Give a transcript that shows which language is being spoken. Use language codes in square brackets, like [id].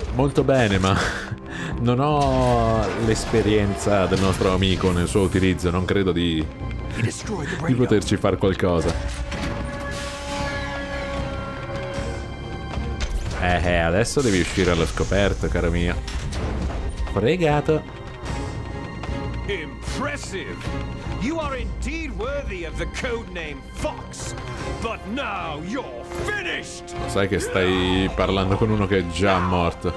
[it] Molto bene, ma non ho l'esperienza del nostro amico nel suo utilizzo. Non credo di poterci far qualcosa. Adesso devi uscire allo scoperto, caro mio. Pregato. Impressive. [en] You are indeed worthy of the codename Fox, but now you're finished. [it] Sai che stai parlando con uno che è già morto.